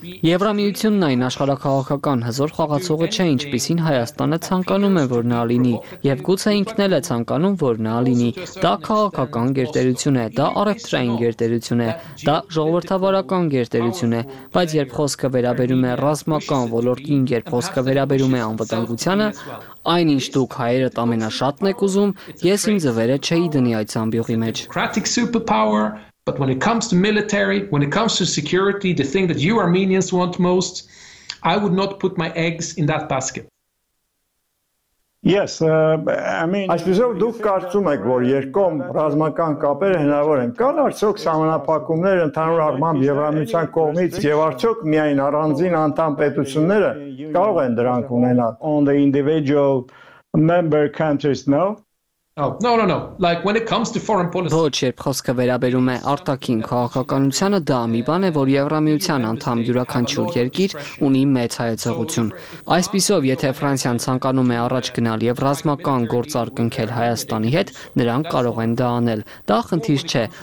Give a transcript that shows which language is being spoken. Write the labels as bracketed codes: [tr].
[hy] Եվրամիությունն այն աշխարհակահաղաղական հզոր խաղացողը չէ, ինչպիսին Հայաստանը ցանկանում է, որ նա լինի, եւ գուցե ինքն էլ է ցանկանում, որ նա լինի։ Դա քաղաքական գերտերություն է, դա առևտրային գերտերություն է, դա ժողովրդավարական գերտերություն է, բայց երբ խոսքը վերաբերում է ռազմական ոլորտին, երբ խոսքը վերաբերում է անվտանգությանը, այնինչ դուք հայերը ամենաշատն եք ուզում, ես իմ ձվերը չէի դնի այդ ամբյուղի մեջ։ [en] But when it comes to military, when it comes to security, the thing that you Armenians want most, I would not put my eggs in that basket. Yes, [hy] Այսպիսով դուք կարծում եք, որ երկկողմ ռազմական կապերը հնարավոր են։ Կան արդյոք սահմանափակումներ ընդհանուր առմամբ Եվրամիության կողմից, եւ արդյոք միայն առանձին անդամ պետությունները կարող են դրանք ունենալ? [en] On the individual member countries, no? No. Like when it comes to foreign policy. [hy] Ոչ, երբ խոսքը վերաբերում է արտաքին քաղաքականությանը, դա մի բան է, որ Եվրամիության անդամ յուրաքանչյուր երկիր ունի մեծ հայեցողություն։ Այսպիսով, եթե Ֆրանսիան ցանկանում է առաջ գնալ եւ ռազմական գործարկընքել Հայաստանի հետ, նրանք կարող են դա անել։ Դա խնդիր չէ։